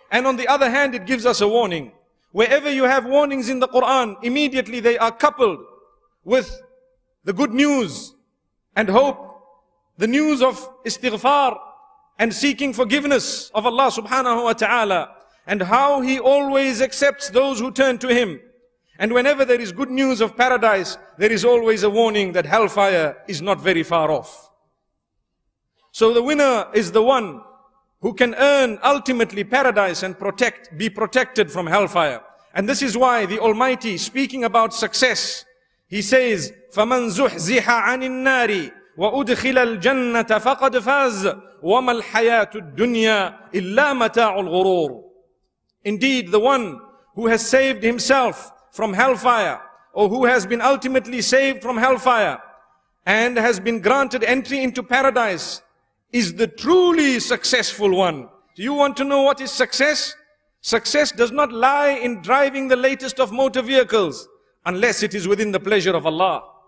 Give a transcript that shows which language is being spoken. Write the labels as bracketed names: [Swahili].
[English] And on the other hand, it gives us a warning. Wherever you have warnings in the Quran, immediately they are coupled with the good news and hope, the news of istighfar and seeking forgiveness of Allah subhanahu wa ta'ala, and how he always accepts those who turn to him. And whenever there is good news of paradise, there is always a warning that hellfire is not very far off. So the winner is the one who can earn ultimately paradise and protect, be protected from hellfire. And this is why the Almighty, speaking about success, he says, [Arabic] فَمَنْ زُحْزِحَ عَنِ النَّارِ وَأُدْخِلَ الْجَنَّةَ فَقَدْ فَازَ وَمَا الْحَيَاةُ الدُّنْيَا إِلَّا مَتَاعُ الْغُرُورِ. [English] Indeed, the one who has saved himself from hellfire, or who has been ultimately saved from hellfire and has been granted entry into paradise, is the truly successful one. Do you want to know what is success? Success does not lie in driving the latest of motor vehicles, unless it is within the pleasure of Allah.